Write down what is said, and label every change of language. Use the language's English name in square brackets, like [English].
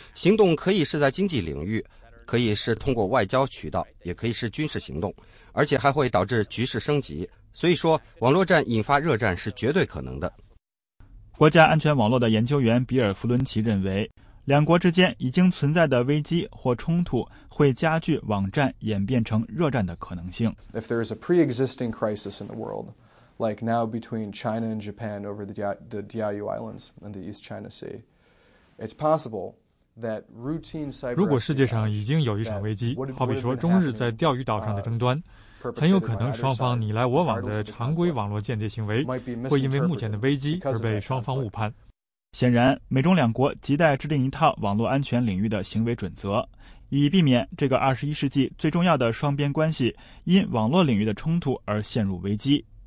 [Chinese] 行动可以是在经济领域，可以是通过外交渠道，也可以是军事行动，而且还会导致局势升级。所以说，网络战引发热战是绝对可能的。国家安全网络的研究员比尔·弗伦奇认为，两国之间已经存在的危机或冲突会加剧网战演变成热战的可能性。 [English] If there is a pre-existing crisis in the world, like now between China and Japan over the Diaoyu Islands and the East China Sea, it's possible. [Chinese] 如果世界上已经有一场危机，好比说中日在钓鱼岛上的争端，很有可能双方你来我往的常规网络间谍行为会因为目前的危机而被双方误判。显然，美中两国亟待制定一套网络安全领域的行为准则，以避免这个21世纪最重要的双边关系因网络领域的冲突而陷入危机。